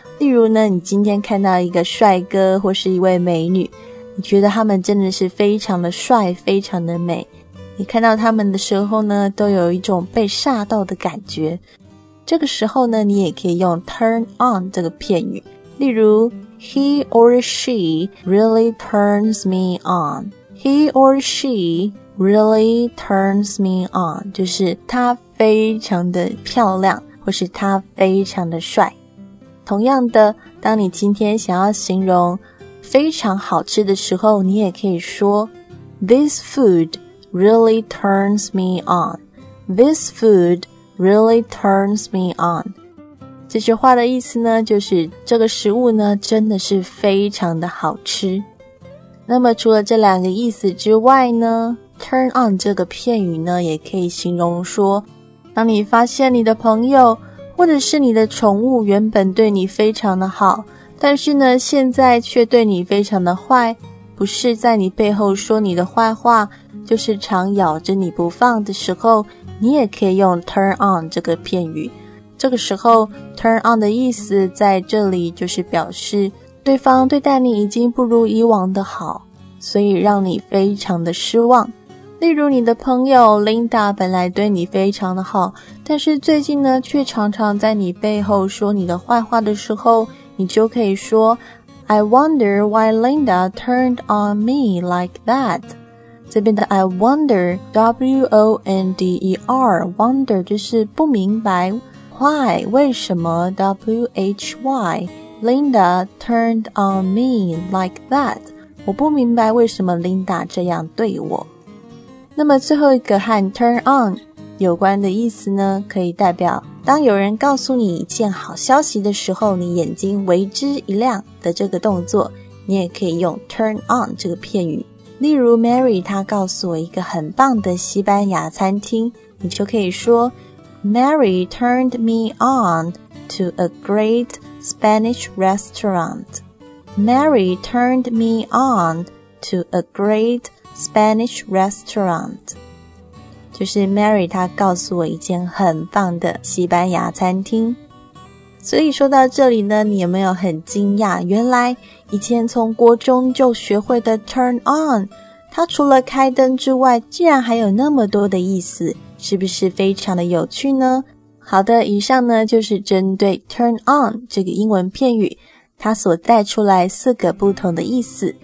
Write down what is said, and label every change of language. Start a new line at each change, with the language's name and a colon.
Chinese: 例如呢，你今天看到一个帅哥或是一位美女，你觉得他们真的是非常的帅，非常的美。你看到他们的时候呢，都有一种被吓到的感觉。这个时候呢，你也可以用 turn on 这个片语。例如
English: ,he or she really turns me on. He or she really turns me on.
Chinese: 就是他非常的漂亮，或是他非常的帅。同样的，当你今天想要形容非常好吃的时候，你也可以说
English: This food really turns me on. This food really turns me on.
Chinese: 这句话的意思呢，就是这个食物呢，真的是非常的好吃。那么除了这两个意思之外呢， turn on 这个片语呢，也可以形容说，当你发现你的朋友或者是你的宠物原本对你非常的好，但是呢，现在却对你非常的坏，不是在你背后说你的坏话，就是常咬着你不放的时候，你也可以用 turn on 这个片语。这个时候 turn on 的意思在这里就是表示对方对待你已经不如以往的好，所以让你非常的失望。例如你的朋友 Linda 本来对你非常的好，但是最近呢却常常在你背后说你的坏话的时候，你就可以说
English: I wonder why Linda turned on me like that。
Chinese: 这边的
English: I wonder W-O-N-D-E-R wonder
Chinese: 就是不明白
English: why
Chinese: 为什么
English: W-H-Y Linda turned on me like that，
Chinese: 我不明白为什么 Linda 这样对我。那么最后一个和 turn on 有关的意思呢，可以代表当有人告诉你一件好消息的时候，你眼睛为之一亮的这个动作，你也可以用 turn on 这个片语。例如 Mary 她告诉我一个很棒的西班牙餐厅，你就可以说
English: Mary turned me on to a great Spanish restaurant. Mary turned me on to a greatSpanish restaurant，
Chinese: 就是 Mary 她告诉我一间很棒的西班牙餐厅。所以说到这里呢，你有没有很惊讶，原来以前从国中就学会的 turn on， 它除了开灯之外，竟然还有那么多的意思，是不是非常的有趣呢？好的，以上呢就是针对 turn on 这个英文片语它所带出来四个不同的意思。